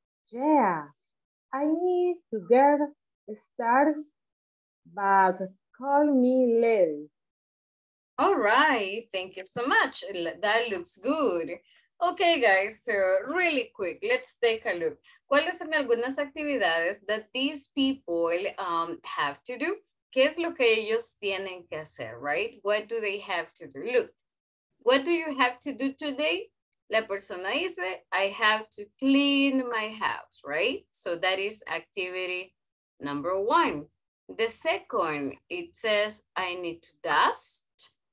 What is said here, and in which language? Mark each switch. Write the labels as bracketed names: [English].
[English] Yeah, I need to get started, but call me later. All right, thank you so much. That looks good. Okay, guys, so really quick, let's take a look. [Spanish] ¿Cuáles son algunas actividades [English] that these people have to do? [Spanish] ¿Qué es lo que ellos tienen que hacer, right? [English] What do they have to do? Look, what do you have to do today? [Spanish] La persona dice, [English] I have to clean my house, right? So that is activity number one. The second, it says, I need to dust.